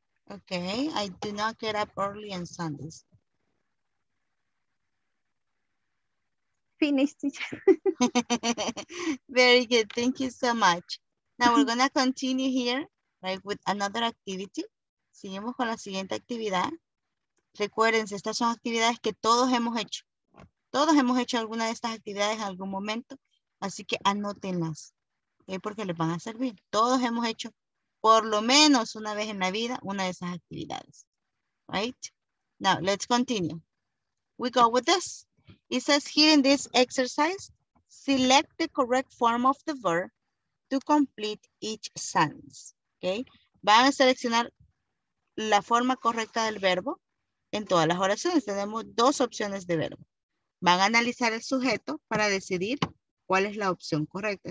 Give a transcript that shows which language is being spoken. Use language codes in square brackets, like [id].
[en] Okay, I do not get up early on Sundays. Finished, teacher. Very good, thank you so much. Now we're gonna continue here, right, with another activity. [es] Seguimos con la siguiente actividad. Recuérdense, estas son actividades que todos hemos hecho. Todos hemos hecho alguna de estas actividades en algún momento. Así que anótenlas, ¿okay? Porque les van a servir. Todos hemos hecho por lo menos una vez en la vida una de esas actividades. [en] Right? Now, let's continue. We go with this. It says here in this exercise, select the correct form of the verb to complete each sentence. ¿Okay? [es] Van a seleccionar la forma correcta del verbo en todas las oraciones. Tenemos dos opciones de verbo. Van a analizar el sujeto para decidir ¿cuál es la opción correcta?